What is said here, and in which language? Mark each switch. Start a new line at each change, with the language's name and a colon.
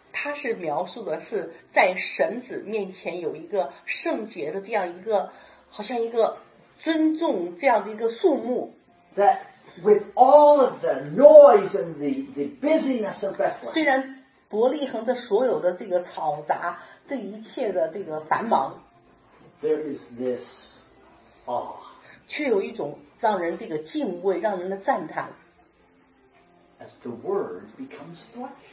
Chinese: 他是描述的是在神子面前有一个圣洁的这样一个好像一个尊重这样的一个肃穆。
English: That with all of the noise and the busyness of Bethlehem,
Chinese: 虽然伯利恒的所有的这个吵杂，这一切的这个繁忙，
English: there is this awe,
Chinese: 却有一种让人这个敬畏，让人的赞叹。
English: As the word becomes flesh.